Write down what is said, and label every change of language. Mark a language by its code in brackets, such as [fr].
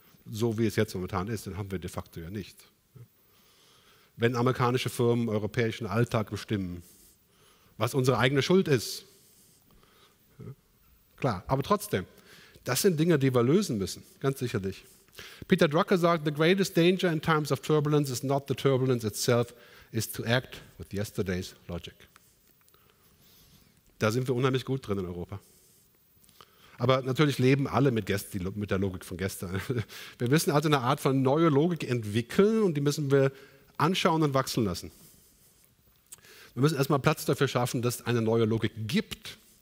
[de] So wie es jetzt momentan ist, den haben wir de facto ja nicht. Wenn amerikanische Firmen europäischen Alltag bestimmen, was unsere eigene Schuld ist. Klar, aber trotzdem, das sind Dinge, die wir lösen müssen, ganz sicherlich. [en] Peter Drucker sagt, the greatest danger in times of turbulence is not the turbulence itself, is to act with yesterday's logic. [de] Da sind wir unheimlich gut drin in Europa. Aber natürlich leben alle mit der Logik von gestern. Wir müssen also eine Art von neue Logik entwickeln und die müssen wir anschauen und wachsen lassen. Wir müssen erstmal Platz dafür schaffen, dass es eine neue Logik gibt.